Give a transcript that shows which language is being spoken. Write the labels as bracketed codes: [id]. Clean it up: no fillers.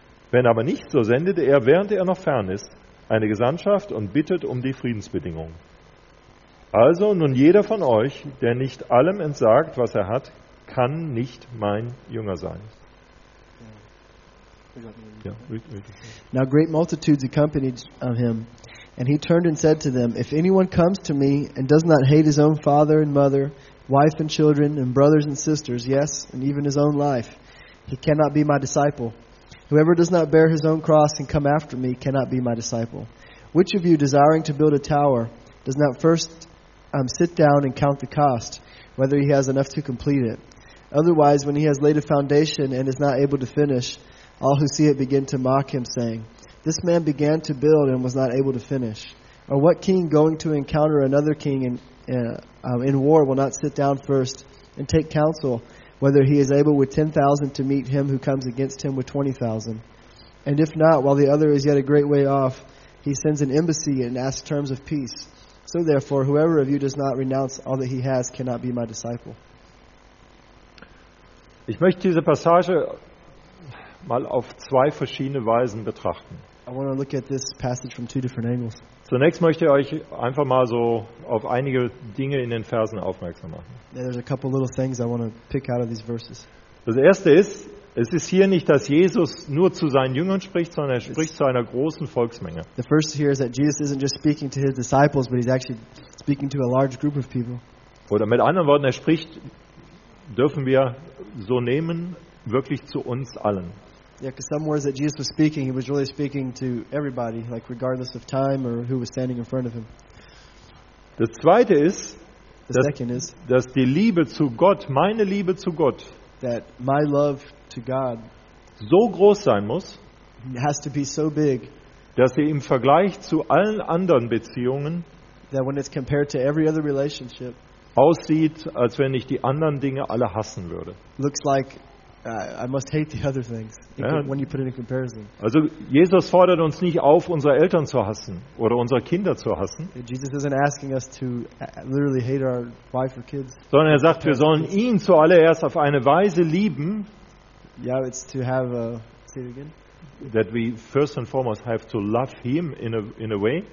[de] Wenn aber nicht, so sendet er, während er noch fern ist, eine Gesandtschaft und bittet um die Friedensbedingungen. Also nun jeder von euch, der nicht allem entsagt, was er hat, kann nicht mein Jünger sein. Ja. [en] Now great multitudes accompanied him, and he turned and said to them, If anyone comes to me and does not hate his own father and mother, wife and children and brothers and sisters, yes, and even his own life, he cannot be my disciple. Whoever does not bear his own cross and come after me cannot be my disciple. Which of you, desiring to build a tower, does not first sit down and count the cost, whether he has enough to complete it? Otherwise, when he has laid a foundation and is not able to finish, all who see it begin to mock him, saying, This man began to build and was not able to finish. Or what king going to encounter another king in war will not sit down first and take counsel, whether he is able with 10,000 to meet him who comes against him with 20,000? And if not, while the other is yet a great way off, he sends an embassy and asks terms of peace. So therefore, whoever of you does not renounce all that he has cannot be my disciple. [de] Ich möchte diese Passage mal auf zwei verschiedene Weisen betrachten. [en] I want to look at this passage from two different angles. [de] Zunächst möchte ich euch einfach mal so auf einige Dinge in den Versen aufmerksam machen. [en] Yeah, there's a couple little things I want to pick out of these verses. [de] Das erste ist, es ist hier nicht, dass Jesus nur zu seinen Jüngern spricht, sondern er spricht zu einer großen Volksmenge. [en] The first here is that Jesus isn't just speaking to his disciples, but he's actually speaking to a large group of people. [de] Oder mit anderen Worten, er spricht, dürfen wir so nehmen, wirklich zu uns allen. [en] Yeah, because some words that Jesus was speaking, he was really speaking to everybody, like regardless of time or who was standing in front of him. [de] Das zweite ist, dass die Liebe zu Gott, meine Liebe zu Gott, [en] that my love to God, [de] so groß sein muss, [en] has to be so big, [de] dass sie im Vergleich zu allen anderen Beziehungen [en] that when it's compared to every other relationship, [de] aussieht, als wenn ich die anderen Dinge alle hassen würde. [en] Looks like I must hate the other things when you put it in comparison. [de] Also Jesus fordert uns nicht auf, unsere Eltern zu hassen oder unsere Kinder zu hassen. [en] Jesus isn't asking us to literally hate our wife or kids. [de] Sondern er sagt, wir sollen ihn zuallererst auf eine Weise lieben. [en] Yeah, it's to have a, say it again. That we first and foremost have to love him in a way.